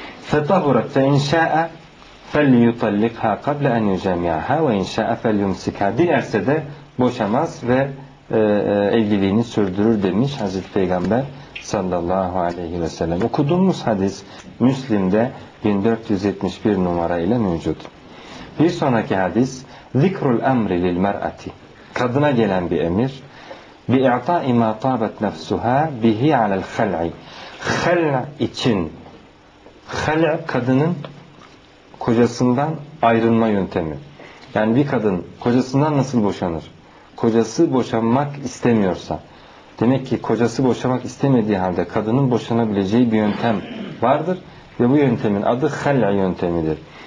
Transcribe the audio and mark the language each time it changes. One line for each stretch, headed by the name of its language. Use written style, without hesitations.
Arabic: فَتَهُرَتْ فَاِنْ شَاءَ فَلْيُطَلِّقْهَا قَبْلَ اَنْ يُجَمْيَاهَا وَاِنْ شَاءَ فَلْيُمْسِكَهَا,
Turkish: dilerse de boşamaz ve evliliğini sürdürür demiş Hazreti Peygamber sallallahu aleyhi ve sellem. Okuduğumuz hadis Müslim'de 1471 numarayla mevcut. Bir sonraki hadis
Arabic: ذِكْرُ الْاَمْرِ لِلْمَرْأَةِ,
Turkish: kadına gelen bir emir.
Arabic: بِاِعْطَاءِ مَا طَابَتْ نَفْسُهَا بِهِ عَلَى الْخَلْعِ, خَلْعَ
Turkish: için, خَلْعَ kadının kocasından ayrılma yöntemi. Yani bir kadın kocasından nasıl boşanır? Kocası boşanmak istemiyorsa, demek ki kocası boşamak istemediği halde kadının boşanabileceği bir yöntem vardır ve bu yöntemin adı خَلْعَ yöntemidir.